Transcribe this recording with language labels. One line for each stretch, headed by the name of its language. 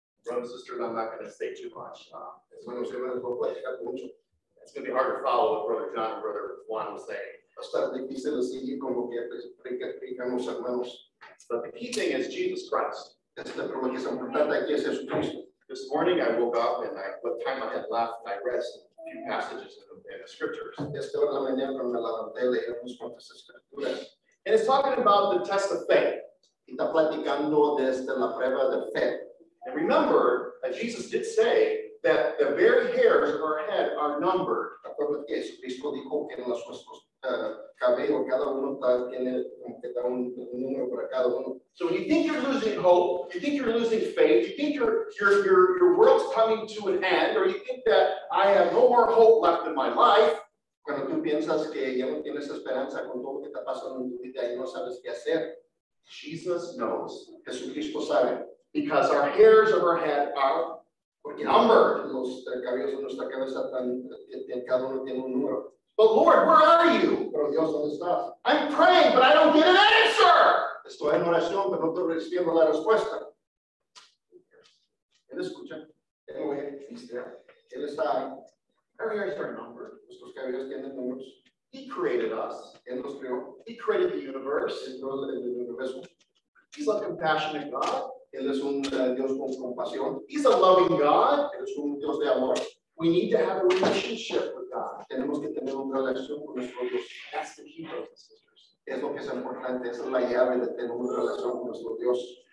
English: and sisters, I'm not going to say too much.
Spanish: Hermanos y hermanas, no voy a explicar mucho.
English: It's going to be hard to follow what Brother John and Brother Juan was saying.
Spanish: Hasta difícil seguir con lo que explicamos, hermanos.
English: But the key thing is Jesus Christ. This morning I woke up and I, what time I had left, I read a few passages in the scriptures.
Spanish: Esta la mañana cuando me levanté leí unos cuantos escrituras.
English: And it's talking about the test of faith.
Spanish: Está platicando desde la prueba de fe.
English: And remember that Jesus did say that the very hairs of our head are numbered.
Spanish: Acuérdate que Jesucristo dijo que en los nuestros cabellos cada uno tiene un número para cada uno.
English: So when you think you're losing hope, you think you're losing faith, you think your world's coming to an end, or you think that I have no more hope left in my life.
Spanish: Cuando tú piensas que ya no tienes esperanza con todo lo que está pasando en tu vida y no sabes qué hacer.
English: Jesus knows.
Spanish: Jesucristo sabe.
English: Because our hairs of our head are numbered.
Spanish: Los cabellos de nuestra cabeza están, cada uno tiene un número.
English: But Lord, where are you?
Spanish: Pero Dios, ¿dónde estás?
English: I'm praying, but I don't get an answer.
Spanish: Estoy en oración, pero no estoy recibiendo la respuesta. Él escucha. Él está ahí.
English: Our hairs are numbered.
Spanish: Nuestros cabellos tienen números.
English: He created us.
Spanish: Él nos creó.
English: He created the universe.
Spanish: Él creó el universo.
English: He's a compassionate God.
Spanish: Él es un Dios con compasión.
English: He's a loving God.
Spanish: Él es un Dios de amor.
English: We need to have a relationship with God.
Spanish: Tenemos que tener una relación con nuestro Dios.
English: That's the key, brothers and sisters.
Spanish: Es lo que es importante. Esa es la llave de tener una relación con nuestro Dios.